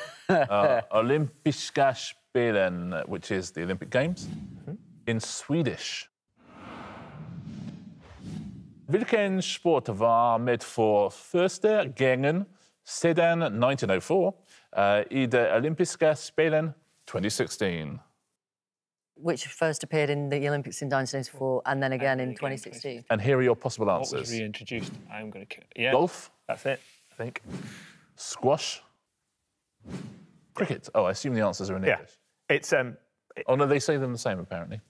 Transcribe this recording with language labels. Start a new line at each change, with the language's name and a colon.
English: Olympiska spelen, which is the Olympic Games, in Swedish.
Swedish: Vilken sport var med för första gången sedan 1904 I de Olympiska spelen 2016?
English: Which first appeared in the Olympics in 1904 and then again in 2016. And here are your possible answers. What was reintroduced? I'm going to kill. Yeah. Golf? That's it, I think. Squash? Cricket? Oh, I assume the answers are in English. Yeah. It's. No, they say them the same, apparently.